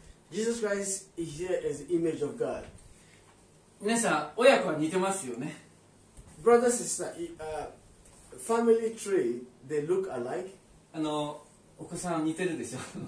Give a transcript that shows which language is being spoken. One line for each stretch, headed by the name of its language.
English: Jesus Christ is here as image of God.
Japanese: 皆さん、親子は似てますよね。
English: Brother, sister, family tree, they look alike.
Japanese: あの、お子さん似てるでしょ。